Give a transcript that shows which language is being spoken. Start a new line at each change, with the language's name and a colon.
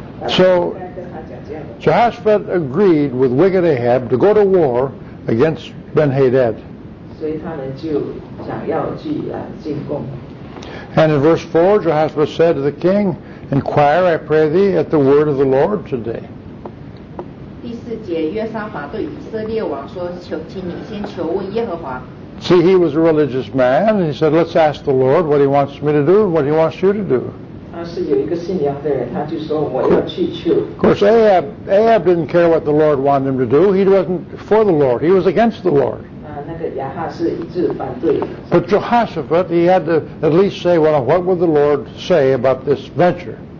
English: So Jehoshua agreed with wicked Ahab to go to war against Ben-Hadad. And in verse 4, Jehoshua said to the king, Inquire, I pray thee, at the word of the Lord today.
Chinese: 第四节，约沙法对以色列王说：“求，请你先求问耶和华。”
English: See, he was a religious man, and he said, "Let's ask the Lord what He wants me to do and what He wants you to do."
Chinese: 他是有一个信仰的人，他就说：“我要去求。”
English: Of course, Ahab didn't care what the Lord wanted him to do. He wasn't for the Lord. He was against the Lord.
Chinese: 那个亚哈是一致反对的,
English: but Jehoshaphat, he had to at least say, well, what would the Lord say about this venture?